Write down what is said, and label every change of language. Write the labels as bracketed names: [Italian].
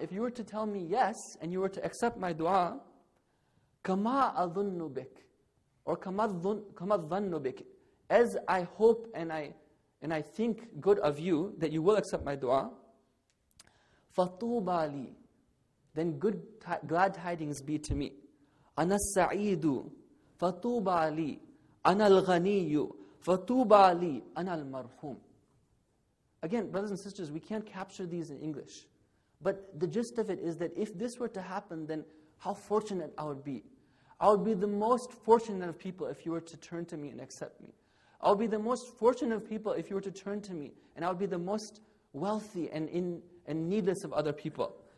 [English] If you were to tell me yes, and you were to accept my dua, [Arabic] كَمَا أَظُنُّ بِكَ. [English] Or [Arabic] كَمَا ظَنُّ بِكَ. [English] As I hope and I think good of you, that you will accept my dua, [Arabic] فَطُوبَ لِي. [English] Then glad tidings be to me. [Arabic] أنا السعيد فطوبى لي أنا الغني فطوبى لي أنا المرحوم. [English] Again, brothers and sisters, we can't capture these in English. But the gist of it is that if this were to happen, then how fortunate I would be. I would be the most fortunate of people if you were to turn to me and accept me. I would be the most fortunate of people if you were to turn to me, and I would be the most wealthy and needless of other people.